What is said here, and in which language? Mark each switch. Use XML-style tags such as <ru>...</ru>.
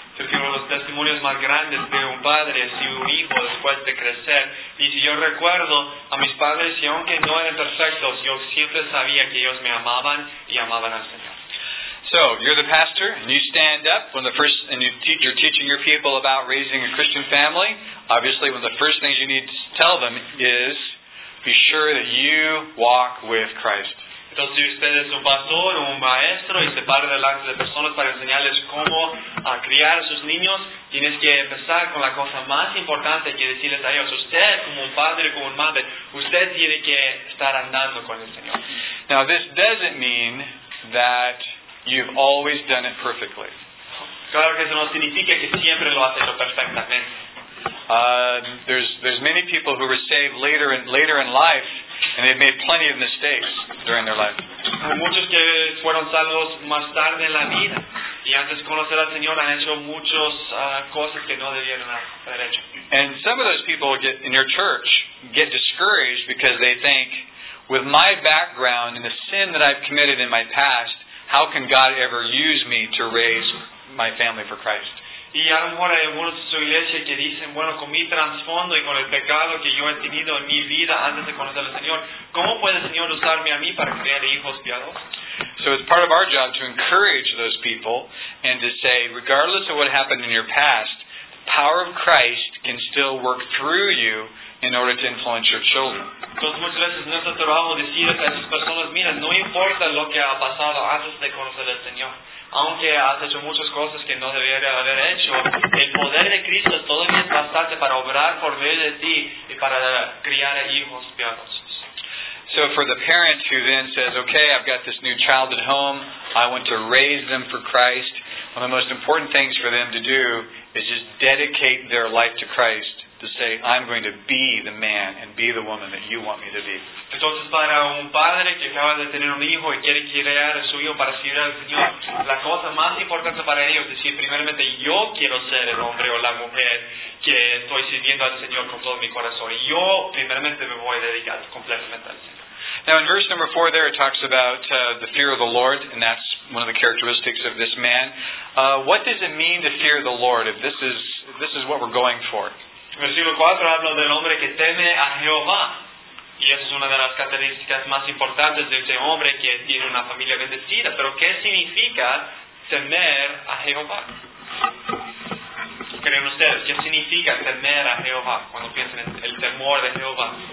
<es>Porque uno de los testimonios más grandes de un padre es si un hijo después de crecer dice, yo recuerdo a mis padres y aunque no eran perfectos, yo siempre sabía que ellos me amaban y amaban al Señor.</es> <en>So, you're the pastor, and you stand up when the first, and you're teaching your people about raising a Christian family. Obviously, one of the first things you need to tell them is, be sure that you walk with Christ.</en> <es>Entonces, si usted es un pastor o un maestro y se para delante de personas para enseñarles cómo criar a sus niños, tienes que empezar con la cosa más importante que decirles a ellos. Usted, como un padre, como un madre, usted tiene que estar andando con el Señor.</es> <en>Now, this doesn't mean that you've always done it perfectly.</en> <es>Claro que eso no significa que siempre lo has hecho perfectamente.</es> <en>There's many people who were saved later in life, and they've made plenty of mistakes during their life.</en> <es>Hay muchos que fueron salvos más tarde en la vida, y antes de conocer al Señor han hecho muchas cosas que no debieron haber hecho.</es> <en>And some of those people get in your church get discouraged because they think, with my background and the sin that I've committed in my past, how can God ever use me to raise my family for Christ?</en> <es>Y a lo mejor hay algunos de su iglesia que dicen, bueno, con mi trasfondo y con el pecado que yo he tenido en mi vida antes de conocer al Señor, ¿cómo puede el Señor usarme a mí para criar hijos piados?</es> <en>So it's part of our job to encourage those people and to say, regardless of what happened in your past, the power of Christ can still work through you in order to influence your children.</en> <es>Entonces muchas veces nuestro trabajo es decir a esas personas, mira, no importa lo que ha pasado antes de conocer al Señor, aunque has hecho muchas cosas que no debería haber hecho, el poder de Cristo todavía es bastante para obrar por medio de ti y para criar hijos piados.</es> <en>So for the parent who then says, okay, I've got this new child at home, I want to raise them for Christ, one of the most important things for them to do is just dedicate their life to Christ, to say, I'm going to be the man and be the woman that you want me to be.</en> <es>Entonces, para un padre que acaba de tener un hijo y quiere criar a su hijo para servir al Señor, la cosa más importante para ellos es decir, primeramente, yo quiero ser el hombre o la mujer que estoy sirviendo al Señor con todo mi corazón. Yo, primeramente, me voy a dedicar completamente al Señor.</es> <en>Now, in verse number 4 there, it talks about the fear of the Lord, and that's one of the characteristics of this man. What does it mean to fear the Lord, if this is what we're going for?</en> <es>Versículo 4 habla del hombre que teme a Jehová. Y esa es una de las características más importantes de ese hombre que tiene una familia bendecida. Pero ¿qué significa temer a Jehová? ¿Creen ustedes qué significa temer a Jehová cuando piensan en el temor de Jehová?</es>